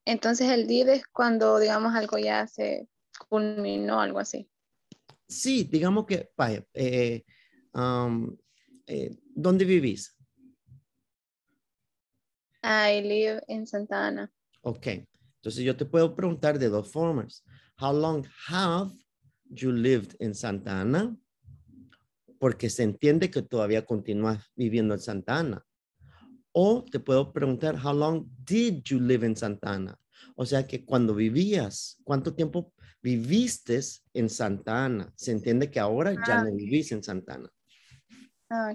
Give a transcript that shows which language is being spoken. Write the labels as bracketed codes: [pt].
[es] Entonces el did es cuando, digamos, algo ya se culminó, algo así. Sí, digamos que, ¿dónde vivís? [en] I live in Santa Ana. Ok. [es] Entonces yo te puedo preguntar de dos formas. [en] How long have you lived in Santa Ana? [es] Porque se entiende que todavía continúas viviendo en Santa Ana. O te puedo preguntar, [en] how long did you live in Santa Ana? [es] O sea que cuando vivías, ¿cuánto tiempo viviste en Santa Ana? Se entiende que ahora ya no vivís en Santa Ana.